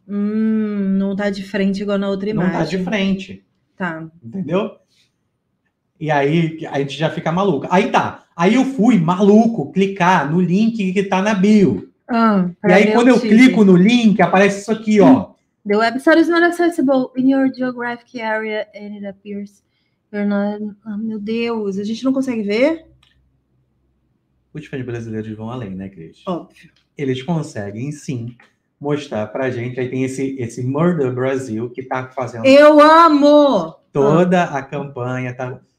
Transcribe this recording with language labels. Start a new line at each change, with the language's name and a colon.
Portuguese: Não tá de frente igual na outra imagem. Não tá de frente. Tá. Entendeu? E aí, a gente já fica maluco. Aí tá. Aí eu fui, maluco, clicar no link que tá na bio. Ah, e aí, quando eu clico no link, aparece isso aqui, ó.
English: The website is not accessible in your geographic area and it appears you're not...
Portuguese: Oh, meu Deus, a gente não consegue ver? Os fãs brasileiros vão além, né, Cris? Óbvio. Eles conseguem, sim, mostrar pra gente. Aí tem esse Murder Brasil que tá fazendo... Eu amo! Toda a campanha, tá...